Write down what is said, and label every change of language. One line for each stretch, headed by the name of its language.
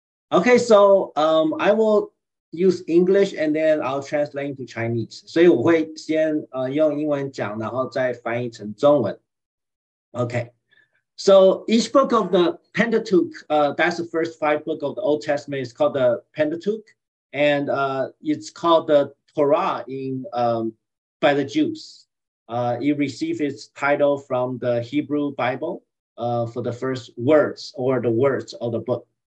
English: Okay, so I will use English and then I'll translate into Chinese.
Chinese: 所以我会先用英文讲，然后再翻译成中文。
English: Okay. So each book of the Pentateuch, that's the first five books of the Old Testament, is called the Pentateuch, and it's called the Torah in, by the Jews. It received its title from the Hebrew Bible for the first words or the words of the book.